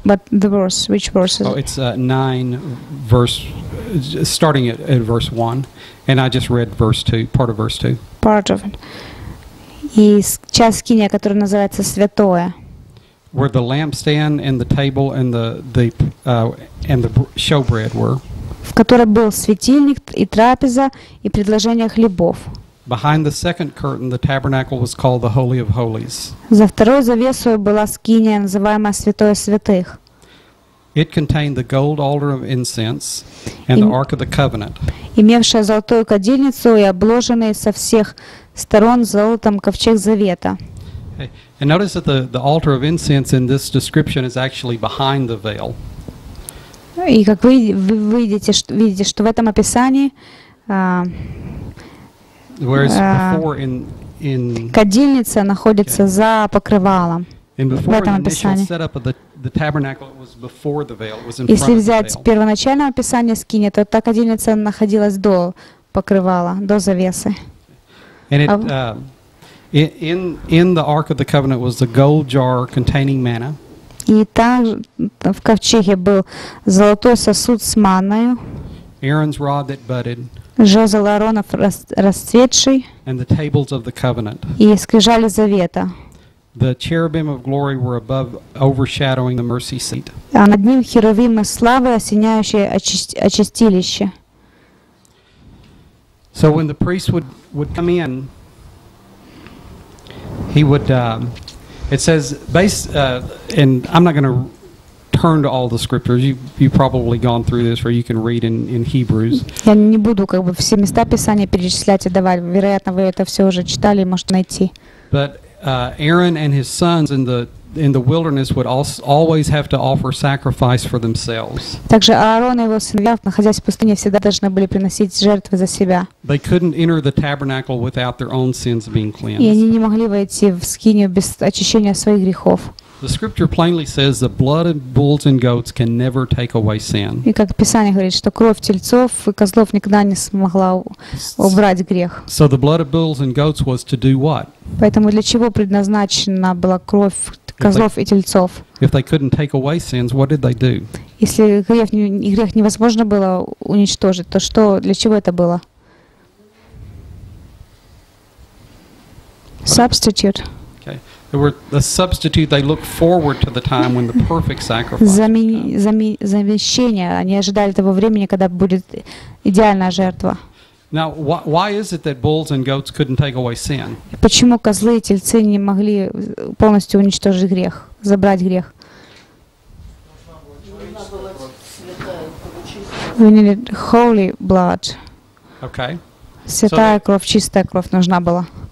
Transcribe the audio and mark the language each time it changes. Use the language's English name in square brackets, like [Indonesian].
[English] The verse, which verse is it? Oh, it's 9 verse, starting at verse 1, and I just read verse 2, part of verse 2. Part of it. [Russian] И часть скиния, которая называется Святое. [English] Where the lampstand and the table and the showbread were. [Russian] В которой был светильник и трапеза и предложение хлебов. [English] Behind the second curtain, the tabernacle was called the Holy of Holies. [Russian] За второй завесой была скиния, называемая Святое Святых. [English] It contained the gold altar of incense and the ark of the covenant. [Russian] Имевшая золотую кадильницу и обложенный со всех сторон золотом ковчег завета. [English] And notice that the altar of incense in this description is actually behind the veil. [Russian] И как вы видите, что в этом описании [English] whereas before in [Russian] кадильница находится okay. за покрывалом. [English] And before [Russian] в этом описании. [English] The initial setup of the tabernacle was before the veil. It was in front. [Russian] Если взять первоначальное описание скинии, то та кадильница находилась до покрывала, до завесы. [English] And it, in the ark of the covenant was the gold jar containing manna. [Russian] И там в ковчеге был золотой сосуд с манною. [English] Aaron's rod that budded. [Russian] Жезл Ааронов расцветший. [English] And the tables of the covenant. [Russian] И скрижали завета. [English] The cherubim of glory were above, overshadowing the mercy seat. [Russian] А над ним херувимы славы, осеняющие очистилище. [English] So when the priest would come in, it says, and I'm not going to turn to all the scriptures. You've probably gone through this where you can read in Hebrews. [Russian] Я не буду как бы все места Писания перечислять и давать. Вероятно, вы это все уже читали, можете найти. [English] But Aaron and his sons in the wilderness would always have to offer sacrifice for themselves. [Russian] Также Аарон и его сыновья, находясь в пустыне, всегда должны были приносить жертвы за себя. [English] They couldn't enter the tabernacle without their own sins being cleansed. [Russian] И они не могли войти в скинию без очищения своих грехов. [English] The scripture plainly says the blood of bulls and goats can never take away sin. [Russian] И как Писание говорит, что кровь тельцов и козлов никогда не смогла убрать грех. [English] So the blood of bulls and goats was to do what? [Russian] Поэтому для чего предназначена была кровь козлов и тельцов? [English] If they couldn't take away sins, what did they do? [Russian] Если грех невозможно было уничтожить, то что для чего это было? [English] Substitute. They were a substitute. They looked forward to the time when the perfect sacrifice. [Russian] Замещение. Они ожидали того времени, когда будет идеальная жертва. [English] Now, why is it that bulls and goats couldn't take away sin? [Russian] Почему козлы и тельцы не могли полностью уничтожить грех, забрать грех? [English] We needed holy blood. Okay. [Russian] Святая кровь, чистая кровь нужна была.